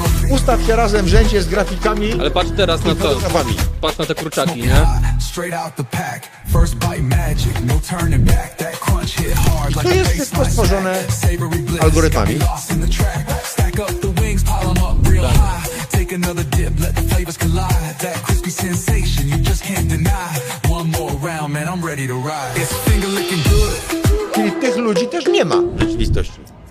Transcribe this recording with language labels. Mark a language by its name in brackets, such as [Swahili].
[Polish] Ustaw się razem w rzędzie z grafikami. Ale patrz teraz na to. Patrz na te kurczaki, nie? [English] Straight out the pack. First bite magic. No turning back. That crunch hit hard. [Polish] To jest wszystko stworzone algorytmami. [English] Stack up the wings, pile them up real high. Take another dip, let the flavors collide. That crispy sensation you just can't deny. One more round, man, I'm ready to ride. It's finger looking good. [Polish] Czyli tych ludzi też nie ma w rzeczywistości.